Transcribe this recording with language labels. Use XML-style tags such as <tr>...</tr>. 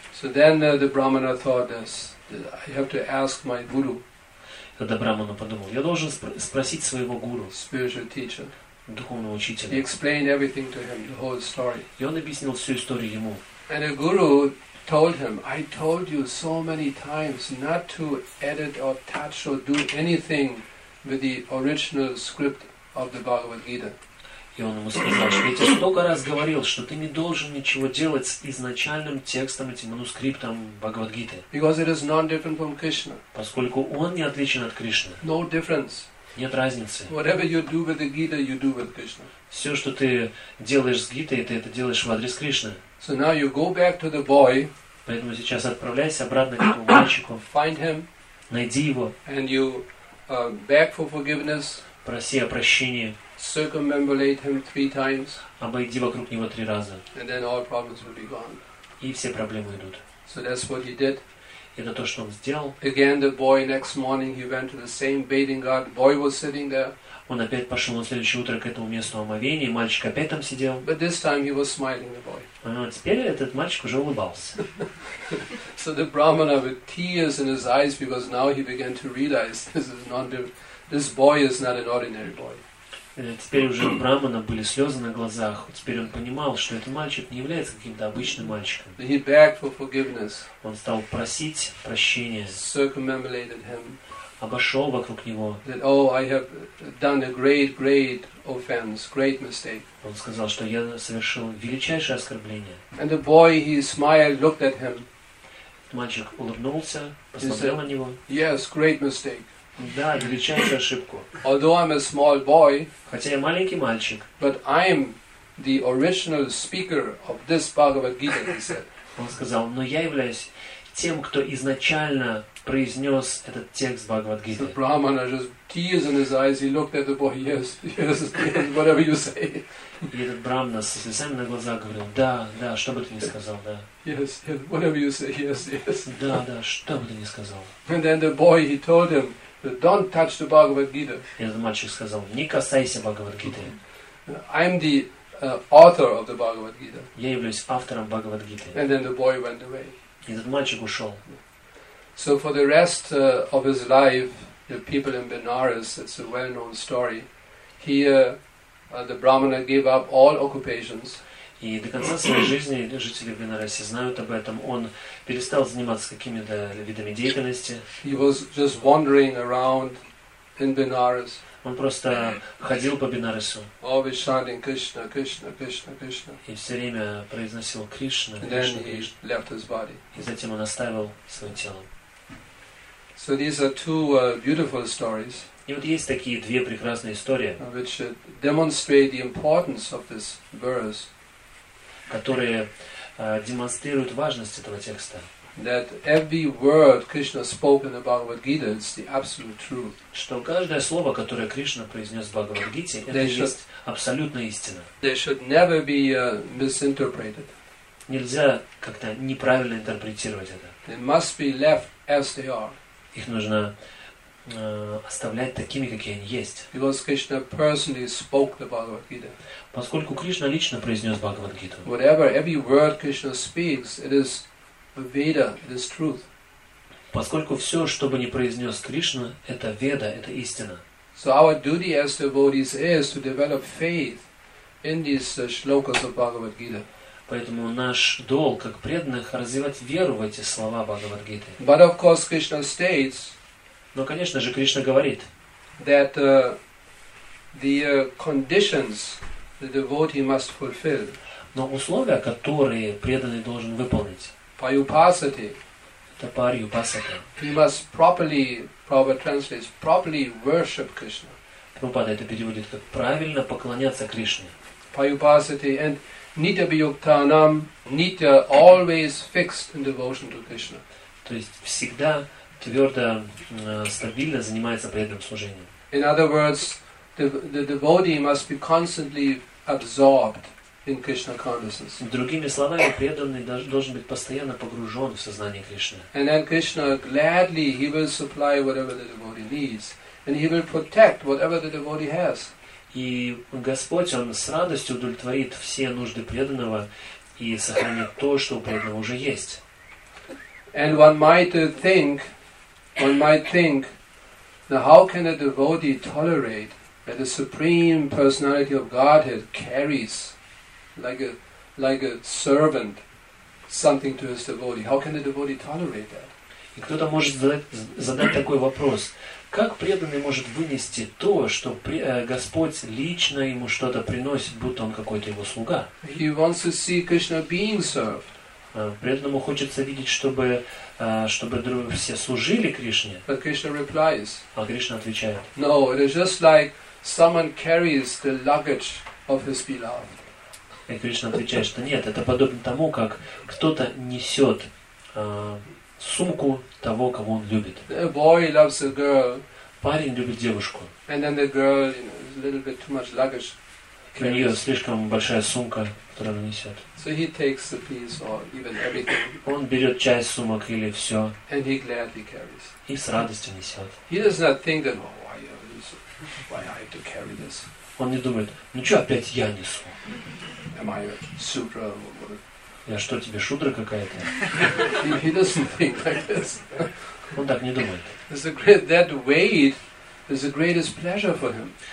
<en>So then the brahmana thought this, that I have to ask my guru.</en> <ru>Тогда брахмана подумал, я должен спросить своего гуру.</ru> <en>Spiritual teacher.</en> <ru>Духовного учителя.</ru> <en>He explained everything to him, the whole story.</en> <ru>И он объяснил всю историю ему.</ru> <en>And the guru told him, I told you so many times not to edit or touch or do anything with the original script of the Bhagavad Gita.</en> <ru>И он ему сказал, что я тебе столько раз говорил, что ты не должен ничего делать с изначальным текстом, этим манускриптом Бхагавад Гиты.</ru> <en>Because it is not different from Krishna.</en> <ru>Поскольку он не отличен от Кришны.</ru> <en>No difference.</en> <ru>Нет разницы.</ru> <en>Whatever you do with the Gita, you do with Krishna.</en> <ru>Все, что ты делаешь с Гитой, ты это делаешь в адрес Кришны.</ru> <en>So now you go back to the boy.</en> <ru>Поэтому сейчас отправляйся обратно к этому мальчику.</ru> <en>Find him.</en> <ru>Найди его.</ru> <en>And you beg for forgiveness.</en> <ru>Проси о прощении.</ru> <en>Circumambulate him three times.</en> <ru>Обойди вокруг него три раза.</ru> <en>And then all problems will be gone.</en> <ru>И все проблемы идут.</ru> <en>So that's what he did.</en> <ru>Это то, что он сделал.</ru> <en>Again, the boy next morning he went to the same bathing ghat. Boy was sitting there.</en> <ru>Он опять пошел на следующее утро к этому месту омовения. Мальчик опять там сидел.</ru> <en>But this time he was smiling, the boy.</en> <ru>А теперь этот мальчик уже улыбался.</ru> <en>So the brahmana with tears in his eyes because now he began to realize this boy is not an ordinary boy.</en> <ru>Теперь уже у брахмана были слезы на глазах. Теперь он понимал, что этот мальчик не является каким-то обычным мальчиком.</ru> <en>He begged for forgiveness.</en> <ru>Он стал просить прощения.</ru> <en>Circumambulated him.</en> <ru>Обошел вокруг него.</ru> <en>That, oh, I have done a great, great offense, great mistake.</en> <ru>Он сказал, что я совершил величайшее оскорбление.</ru> <en>And the boy, he smiled, looked at him.</en> <ru>Мальчик улыбнулся, посмотрел на него.</ru> <en>Yes, great mistake.</en> <ru>Да, величайшую ошибку.</ru> <en>Although I'm a small boy,</en> <ru>хотя я маленький мальчик,</ru> <en>but I'm the original speaker of this Bhagavad Gita, he said.</en> <ru>Он сказал, но я являюсь тем, кто изначально произнес этот текст Бхагавад Гиты.</ru> <en>The brahmana just tears in his eyes. He looked at the boy. Yes, yes, whatever you say.</en> <ru>И этот брахмана со слезами на глазах говорил, да, да, что бы ты ни сказал, да.</ru> <en>Yes, yes, whatever you say. Yes, yes.</en> <ru>Да, да, что бы ты ни сказал.</ru> <en>And then the boy he told him, don't touch the Bhagavad Gita.</en> <ru>И этот мальчик сказал, не касайся Бхагавад Гиты.</ru> <en>I'm the author of the Bhagavad Gita.</en> <ru>Я являюсь автором Бхагавад Гиты.</ru> <en>And then the boy went away.</en> <ru>И этот мальчик ушел.</ru> <en>So for the rest of his life, the people in Benares, it's a well-known story, he, the brahmana gave up all occupations.</en> <ru>И до конца своей жизни жители Бенараса знают об этом. Он перестал заниматься какими-то видами деятельности.</ru> <en>He was just wandering around in Benares.</en> <ru>Он просто ходил по Бенарасу.</ru> <en>Always chanting Krishna, Krishna, Krishna, Krishna.</en> <ru>И все время произносил Кришна,</ru> <en>Кришна, Кришна. Left his body.</en> <ru>И затем он оставил свое тело.</ru> <en>So these are two beautiful stories.</en> <ru>И вот есть такие две прекрасные истории,</ru> <en>which demonstrate the importance of this verse.</en> <ru>Которые демонстрируют важность этого текста.</ru> <en>That every word Krishna spoke in the Bhagavad Gita is the absolute truth.</en> <ru>Что каждое слово, которое Кришна произнес в Бхагавад Гите, это есть абсолютная истина.</ru> <en>They should never be misinterpreted.</en> <ru>нельзя как-то неправильно интерпретировать это.</ru> <en>They must be left as they are.</en> <ru>Их нужно оставлять такими, какие они есть.</ru> <en>Because Krishna personally spoke the Bhagavad Gita.</en> <ru>Поскольку Кришна лично произнес Бхагавад Гиту.</ru> <en>Whatever every word Krishna speaks, it is Veda, it is truth.</en> <ru>Поскольку все, что бы ни произнес Кришна, это Веда, это истина.</ru> <en>So our duty as devotees is to develop faith in these shlokas of Bhagavad Gita.</en> <ru>Поэтому наш долг как преданных развивать веру в эти слова Бхагавад Гиты.</ru> <en>But of course Krishna states.</en> <ru>Но, конечно же, Кришна говорит,</ru> <en>that the conditions the devotee must fulfill.</en> <ru>Но условия, которые преданный должен выполнить.</ru> <sa>Paryupasati.</sa> <ru>Это Paryupasati.</ru> <en>He must properly, Prabhupada translates, properly worship Krishna.</en> <ru>Прабхупада это переводит как правильно поклоняться Кришне.</ru> <en>Paryupasati and nitya biyuktanam, nitya always fixed in devotion to Krishna.</en> <ru>То есть всегда твердо, стабильно занимается преданным служением.</ru> <en>In other words, the devotee must be constantly absorbed in Krishna consciousness.</en> <ru>Другими словами, преданный должен быть постоянно погружен в сознание Кришны.</ru> <en>And then Krishna gladly he will supply whatever the devotee needs, and he will protect whatever the devotee has.</en> <ru>И Господь он с радостью удовлетворит все нужды преданного и сохранит то, что у преданного уже есть.</ru> <en>And one might think, now how can a devotee tolerate that the Supreme Personality of Godhead carries, like a servant, something to his devotee? How can a devotee tolerate that?</en> <ru>И кто-то может задать такой вопрос: как преданный может вынести то, что Господь лично ему что-то приносит, будто он какой-то его слуга?</ru> <en>He wants to see Krishna being served.</en> <ru>Преданному хочется видеть, чтобы все служили Кришне.</ru> <en>But Krishna replies.</en> <ru>А Кришна отвечает.</ru> <en>No, it is just like someone carries the luggage of his beloved.</en> <ru>И Кришна отвечает, что нет, это подобно тому, как кто-то несет сумку того, кого он любит.</ru> <en>A boy loves a girl.</en> <ru>Парень любит девушку.</ru> <en>And then the girl, you know, a little bit too much luggage.</en> <ru>У нее слишком большая сумка, которую она несет.</ru> <en>So he takes the piece or even everything.</en> <ru>Он берет часть сумок или все.</ru> <en>And he gladly carries.</en> <ru>И с радостью несет.</ru> <en>He does not think that, oh, why I have to carry this.</en> <ru>Он не думает, ну что опять я несу?</ru> <en>Am I a sutra?</en> <ru>Я что, тебе шудра какая-то?</ru> <en>He doesn't think like this.</en> <ru>Он так не думает.</ru> <en>That weight is the greatest pleasure for him.</en>